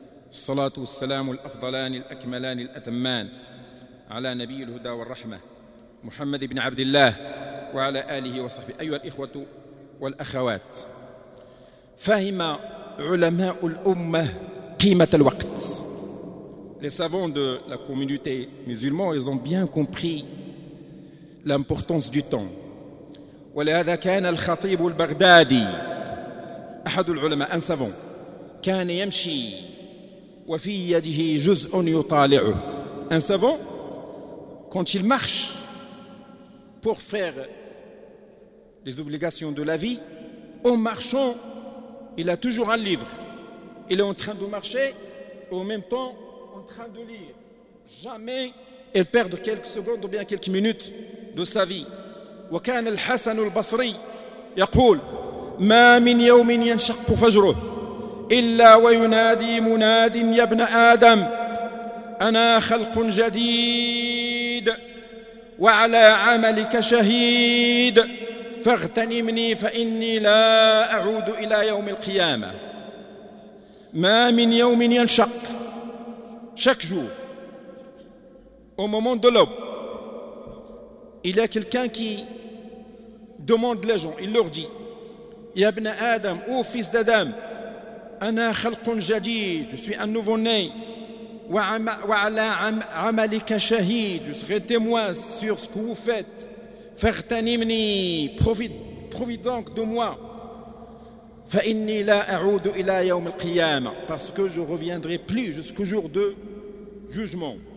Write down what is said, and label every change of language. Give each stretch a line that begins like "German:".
Arabic: الصلاة والسلام الأفضلان الأكملان الأتمان على نبي الهدى والرحمة محمد بن عبد الله وعلى آله وصحبه. أيها الإخوة والأخوات، فهم علماء الأمة قيمة الوقت.
French: Les savants de la communauté musulmane, ils ont bien compris l'importance du temps.
Arabic: ولهذا كان الخطيب البغدادي أحد العلماء،
French: un savant
Arabic: كان يمشي وفي يده جزء يطالعه.
French: Un savant, quand il marche pour faire les obligations de la vie, en marchant, il a toujours un livre. Il est en train de marcher et en même temps en train de lire. Jamais il perd quelques secondes ou bien quelques minutes de sa vie.
Arabic: وكان الحسن البصري يقول ما من يوم ينشق فجره إلا وينادي مناد يا ابن آدم أنا خلق جديد وعلى عملك شهيد فاغتنمني فإني لا أعود إلى يوم القيامة. ما من يوم ينشق
French: chaque jour au moment de l'aube il y a quelqu'un qui demande les gens, il leur dit
Arabic: يا ابن آدم
French: ô fils d'Adam
Arabic: أنا خلق جديد
French: je suis un nouveau né
Arabic: وعلى عملك شهيد
French: je serai témoin sur ce que vous faites
Arabic: فاغتنمني
French: profite donc de moi
Arabic: فإني لا أعود إلى يوم القيامة
French: parce que je reviendrai plus jusqu'au jour de jugement.